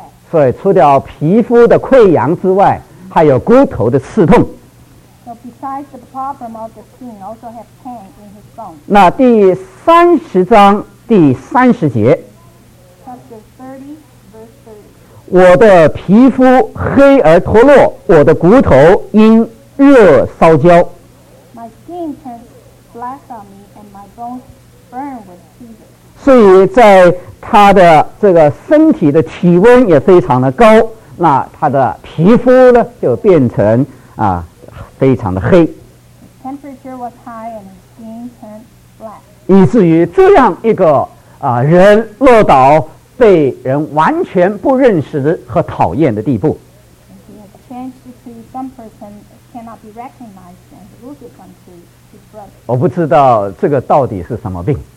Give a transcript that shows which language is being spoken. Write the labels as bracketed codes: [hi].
[zh] 所以除掉皮肤的溃疡之外，还有骨头的刺痛。 [en] So besides the problem of the skin, also have pain in his bones. [zh] 那第三十章第三十节。 [en] Chapter 30, verse 30. [zh] 我的皮肤黑而脱落，我的骨头因热烧焦。 [en] My skin turns black on me, and my bones burn with fever. [zh] 所以在他的这个身体的体温也非常的高，那他的皮肤呢就变成啊非常的黑。 [en] Temperature was high and his skin turned black. [zh] 以至于这样一个人落到被人完全不认识和讨厌的地步。 [en] He had changed to some person cannot be recognized and lose it from his brother. [zh] 我不知道这个到底是什么病。